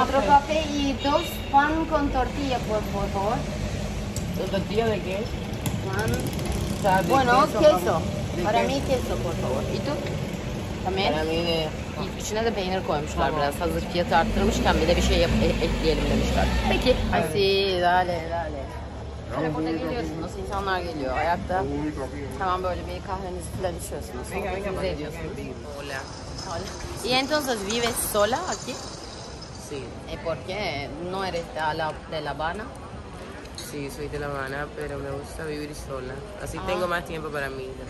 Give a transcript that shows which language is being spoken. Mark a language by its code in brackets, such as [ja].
[es] Otro café y dos pan con tortilla, por favor. ¿Tortilla de qué? Pan. O sea, de bueno, queso. Para mí queso, por favor. ¿Y tú? También. Para mí de... [tr] İçine de peynir koymuşlar tamam. Biraz hazır fiyatı arttırmışken bir de bir şey ekleyelim demişler. Peki. [es] Ay si, dale. [tr] Telefona geliyorsunuz, insanlar geliyor. Ayakta hemen böyle bir kahvenizi falan içiyorsunuz. Sohbetinizi ediyorsunuz. [es] Hola. Y entonces, ¿vives sola aquí? Sí. ¿Por qué? ¿No eres de La Habana? Sí, soy de La Habana, pero me gusta vivir sola. Así tengo más tiempo para mí.